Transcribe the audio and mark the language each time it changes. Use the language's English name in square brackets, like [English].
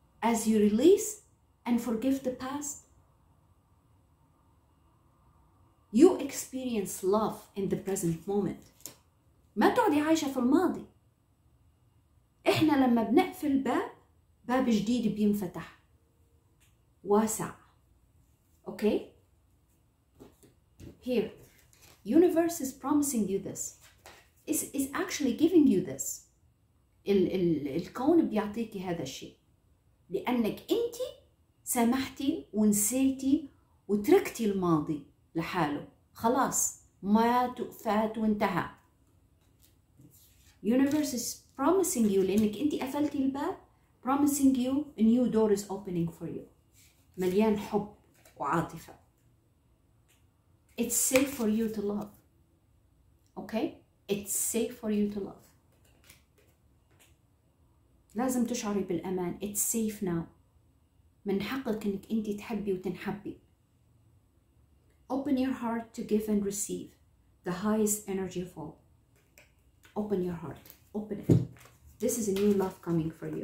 [English] As you release and forgive the past, you experience love in the present moment. [Arabic] ما تقعدي عايشة في الماضي. احنا لما بنقفل باب جديد بينفتح واسع. [English] Okay? Here, universe is promising you this. Is actually giving you this. [Arabic] الكون بيعطيكي هذا الشيء. لأنك أنت سامحتي ونسيتي وتركتي الماضي لحاله. خلاص مات وفات وانتهى. [English] Universe is promising you [Arabic] لأنك أنت قفلتي الباب. [English] Promising you a new door is opening for you. [Arabic] مليان حب وعاطفة. [English] It's safe for you to love. Okay? It's safe for you to love. [Arabic] لازم تشعري بالأمان. [English] It's safe now. [Arabic] من حقك انك انت تحبي وتنحبي. [English] Open your heart to give and receive the highest energy of all. Open your heart. Open it. This is a new love coming for you.